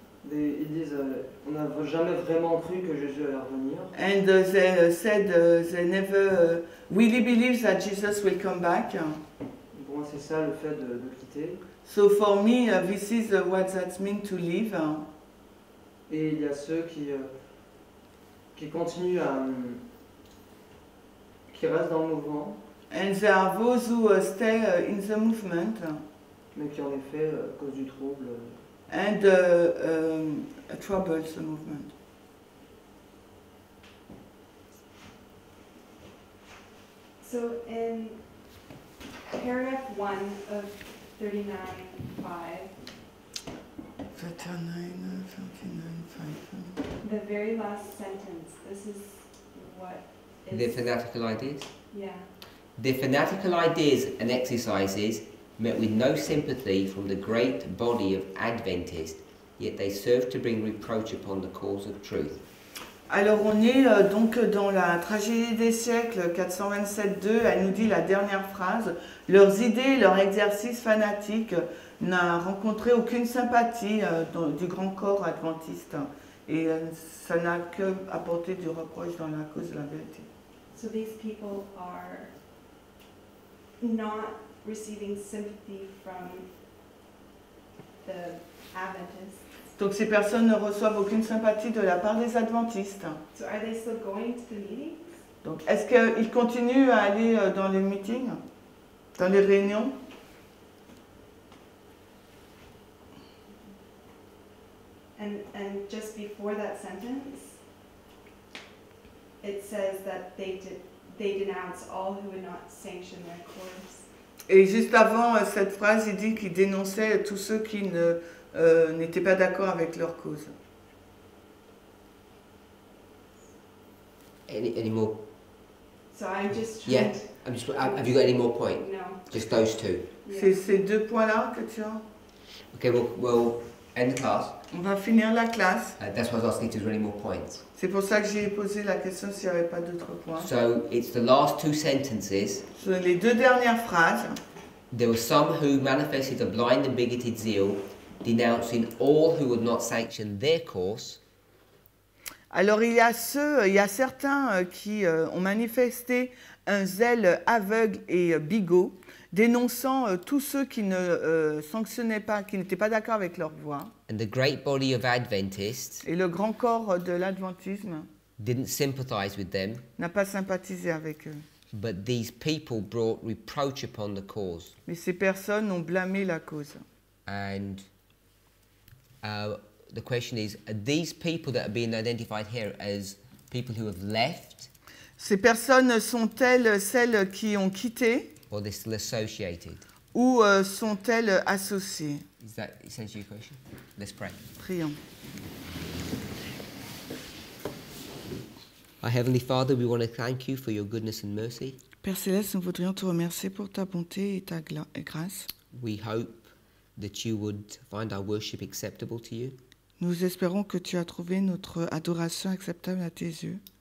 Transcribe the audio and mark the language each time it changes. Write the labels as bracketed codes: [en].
[fr] Ils disent on n'a jamais vraiment cru que Jésus allait revenir. [en] And they said they never really believe that Jesus will come back. [fr] Pour moi c'est ça le fait de quitter. [en] So for me, this is what that means to live. [fr] Et il y a ceux qui continuent qui restent dans le mouvement. [en] And there are those who stay in the movement. [fr] Mais qui en effet causent du trouble. [en] And troubles the movement. So in paragraph 1 of 39.5. The very last sentence. This is what is the fanatical ideas? Yeah. The fanatical ideas and exercises met with no sympathy from the great body of Adventists, yet they served to bring reproach upon the cause of truth. [fr] Alors on est donc dans la tragédie des siècles, 427.2, elle nous dit la dernière phrase. Leurs idées, leur exercice fanatique n'a rencontré aucune sympathie du grand corps adventiste. Et ça n'a que apporté du reproche dans la cause de la vérité. [en] So these people are not receiving sympathy from the Adventists. [fr] Donc ces personnes ne reçoivent aucune sympathie de la part des Adventistes. [en] So are they still going to the meetings? [fr] Donc est-ce qu'ils continuent à aller dans les meetings, dans les réunions? [en] And just before that sentence, it says that they denounce all who would not sanction their course. [fr] Et juste avant cette phrase, il dit qu'il dénonçait tous ceux qui ne n'étaient pas d'accord avec leur cause. [en] Any more? So I'm just trying. Yeah. Have you got any more points? No. Just those two. Yeah. [fr] C'est ces deux points-là que tu as. [en] Okay, we'll end the class. [fr] On va finir la classe. [en] That's why I was asking if there were any more points. [fr] C'est pour ça que j'ai posé la question s'il n'y avait pas d'autres points. [en] So it's the last two sentences. [fr] So les deux dernières phrases. [en] There were some who manifested a blind and bigoted zeal, denouncing all who would not sanction their course. [fr] Alors il y a certains qui ont manifesté un zèle aveugle et bigot, dénonçant tous ceux qui ne sanctionnaient pas, qui n'étaient pas d'accord avec leur voix. [en] And the great body of Adventists. [fr] Et le grand corps de l'adventisme. [en] Didn't sympathize with them. [fr] N'a pas sympathisé avec eux. [en] But these people brought reproach upon the cause. [fr] Mais ces personnes ont blâmé la cause. [en] And the question is, are these people that are being identified here as people who have left? [fr] Ces personnes sont-elles celles qui ont quitté? [en] Or they're still associated? [fr] Ou sont-elles associées? [en] Is that essentially your question? Let's pray. [fr] Prions. [en] Our Heavenly Father, we want to thank you for your goodness and mercy. [fr] Père Céleste, nous voudrions te remercier pour ta bonté et ta grâce. [en] We hope that you would find our worship acceptable to you. [fr] Nous espérons que tu as trouvé notre adoration acceptable à tes yeux.